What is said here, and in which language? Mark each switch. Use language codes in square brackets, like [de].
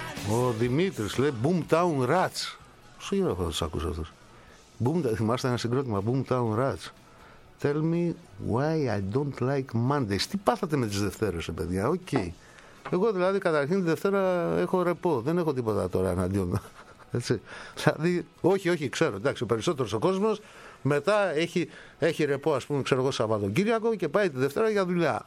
[el] Ο Δημήτρης λέει Boomtown Rats. Πόσο γύρω θα τους ακούσω αυτούς. Θυμάστε ένα συγκρότημα Boomtown Rats. [en] Tell me why I don't like Mondays. [el] Τι πάθατε με τις Δευτέρες, παιδιά? Οκ. Okay. Εγώ δηλαδή καταρχήν τη Δευτέρα έχω ρεπό. Δεν έχω τίποτα τώρα εναντίον. Έτσι. Δηλαδή, όχι, όχι, ξέρω. Εντάξει, ο περισσότερος ο κόσμος μετά έχει ρεπό, ας πούμε, ξέρω εγώ, Σαββατοκύριακο και πάει τη Δευτέρα για δουλειά.